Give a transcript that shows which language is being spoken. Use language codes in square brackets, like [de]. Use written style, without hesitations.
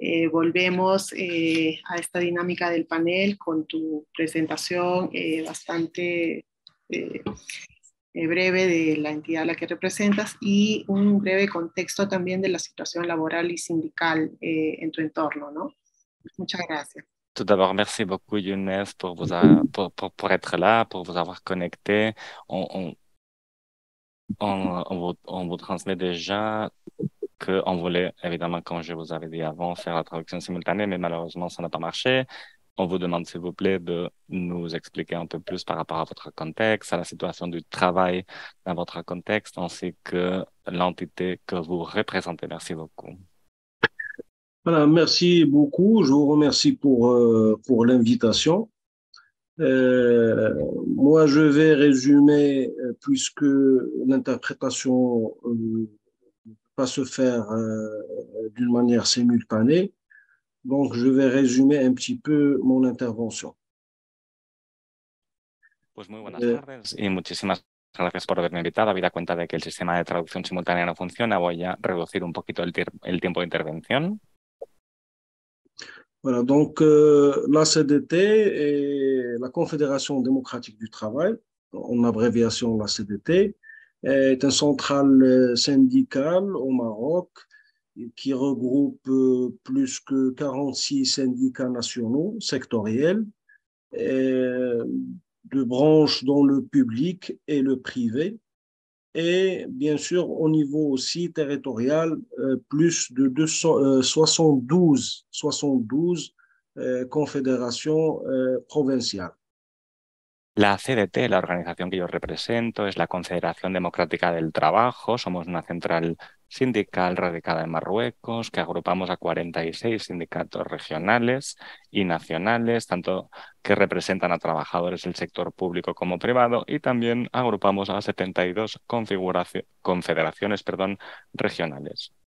[es] Volvemos a esta dinámica del panel con tu presentación bastante breve de la entidad a la que representas y un breve contexto también de la situación laboral y sindical en tu entorno, ¿no? Muchas gracias. [fr] Tout d'abord, merci beaucoup, Younes, por être là, por vous avoir connecté. On vous transmet déjà qu'on voulait, évidemment, comme je vous avais dit avant, faire la traduction simultanée, mais malheureusement, ça n'a pas marché. On vous demande, s'il vous plaît, de nous expliquer un peu plus par rapport à votre contexte, à la situation du travail dans votre contexte, ainsi que l'entité que vous représentez. Merci beaucoup. Voilà, merci beaucoup. Je vous remercie pour l'invitation. Moi, je vais résumer, puisque l'interprétation pas se faire d'une manière simultanée. Donc, je vais résumer un petit peu mon intervention. [es] Pues muy buenas tardes y muchísimas gracias por haberme invitado. Habida cuenta de que el sistema de traducción simultánea no funciona, voy a reducir un poquito el tiempo de intervención. [fr] Voilà, donc la CDT et la Confédération démocratique du travail, en abréviation la CDT, est une centrale syndicale au Maroc qui regroupe plus que 46 syndicats nationaux, sectoriels, de branches dans le public et le privé, et bien sûr au niveau aussi territorial, plus de 72 confédérations provinciales. [es] La CDT, la organización que yo represento, es la Confederación Democrática del Trabajo. Somos una central sindical radicada en Marruecos que agrupamos a 46 sindicatos regionales y nacionales, tanto que representan a trabajadores del sector público como privado, y también agrupamos a 72 confederaciones regionales.